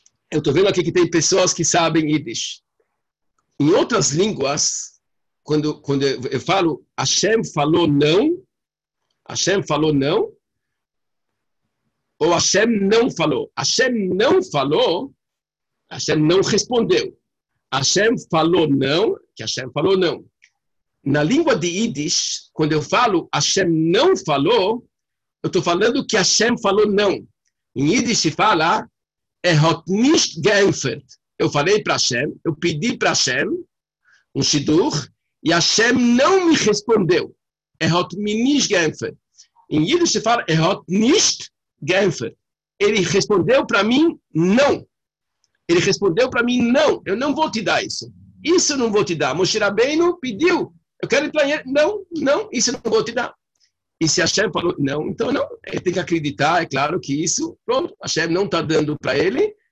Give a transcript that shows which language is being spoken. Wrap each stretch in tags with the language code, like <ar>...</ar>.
<pt>Eu estou vendo aqui que tem pessoas que sabem Yiddish. Em outras línguas, quando eu falo Hashem falou não, Hashem falou não, ou Hashem não falou. Hashem não falou, Hashem não respondeu. Hashem falou não, que Hashem falou não. Na língua de Yiddish, quando eu falo Hashem não falou, eu estou falando que Hashem falou não. Em Yiddish se fala,</pt> <yi>er hat nicht geantwortet.</yi> <pt>Eu falei para Hashem, eu pedi para Hashem um shidur, e Hashem não me respondeu.</pt> <yi>Er hat mir nicht geantwortet.</yi> <pt>Em Yiddish se fala,</pt> <yi>er hat nicht geantwortet.</yi> <pt>Ele respondeu para mim, não. Ele respondeu para mim, não. Eu não vou te dar isso. Isso eu não vou te dar. Moshe Rabbeinu pediu. Eu quero ir para ele. Não, não, isso eu não vou te dar. E se Hashem falou, não, então não. Ele tem que acreditar, é claro que isso, pronto. Hashem não está dando para ele.</pt>